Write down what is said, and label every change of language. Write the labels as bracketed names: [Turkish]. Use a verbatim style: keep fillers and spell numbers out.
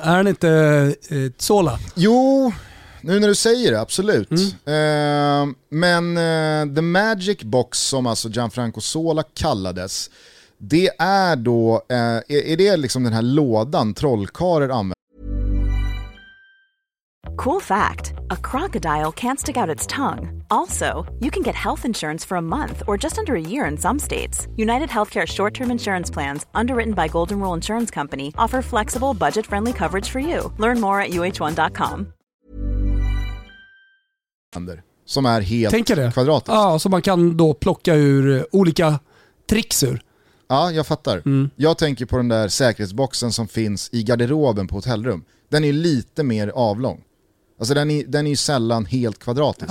[Swedish] Är han inte eh, Sola? Jo, nu när du säger det, absolut. Mm. Eh, men eh, The Magic Box, som alltså Gianfranco Sola kallades, det är då, eh, är, är det liksom den här lådan trollkarlar använder? [English] Cool fact, a crocodile can't stick out its tongue. Also, you can get health insurance for a month or just under a year in some states. United Healthcare short-term insurance plans, underwritten by Golden Rule Insurance Company, offer flexible, budget-friendly coverage for you. Learn more at u h one dot com. [Swedish] Som är helt kvadratiskt. Ja, så man kan då plocka ur olika tricks ur. Ja, jag fattar. Mm. Jag tänker på den där säkerhetsboxen som finns i garderoben på hotellrum. Den är lite mer avlång. Alltså den är, den är ju sällan helt kvadratisk.